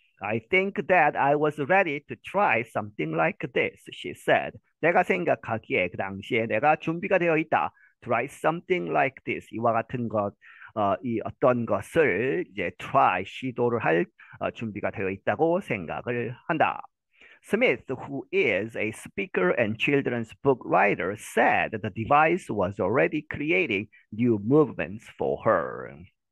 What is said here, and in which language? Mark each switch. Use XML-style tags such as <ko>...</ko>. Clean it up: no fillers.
<en>I think that I was ready to try something like this, she said.</en> <ko>내가 생각하기에 그 당시에 내가 준비가 되어 있다.</ko> <en>Try something like this.</en> <ko>이와 같은 것, 이 어떤 것을 이제 try, 시도를 할 준비가 되어 있다고 생각을 한다.</ko> <en>Smith, who is a speaker and children's book writer, said that the device was already creating new movements for her.</en>